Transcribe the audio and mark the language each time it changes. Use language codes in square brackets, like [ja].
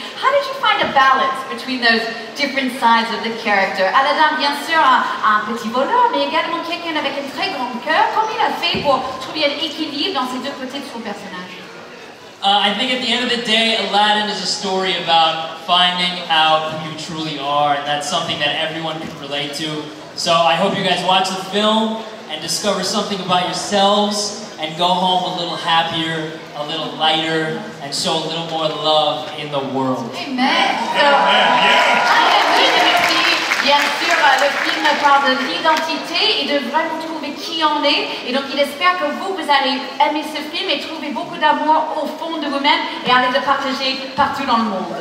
[en] How did you find a balance between those different sides of the character? [fr] Aladdin, bien sûr, un petit voleur, mais également quelqu'un avec un très grand cœur. Comment il a fait pour trouver un équilibre dans ces deux côtés de son personnage? [en] I think at the end of the day, Aladdin is a story about finding out who you truly are, and that's something that everyone can relate to. So I hope you guys watch the film and discover something about yourselves and go home a little happier, a little lighter, and show a little more love in the world. Amen. So, Amen. Yeah. [fr] Bien sûr, le film parle de l'identité et de vraiment trouver qui on est. Et donc, il espère que vous allez aimer ce film et trouver beaucoup d'amour au fond de vous-même et aller le partager partout dans le monde.